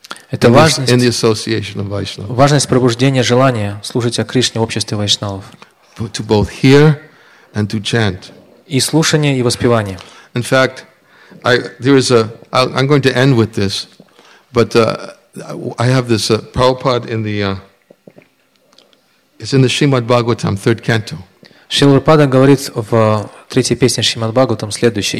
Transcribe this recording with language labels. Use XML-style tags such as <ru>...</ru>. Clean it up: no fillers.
<ru>Это важность,</ru> <en>in the association of Vaishnavas.</en> <ru>Важность пробуждения желания слушать о Кришне в обществе вайшнавов.</ru> <en>To both hear and to chant.</en> <ru>И слушание, и воспевание.</ru> <en>In fact, I'm going to end with this. But I have this Prabhupada in the it's in the Srimad Bhagavatam, third canto.</en> <ru>Шрила Прабхупада говорит в третьей песне Шримад Бхагаватам следующее.</ru>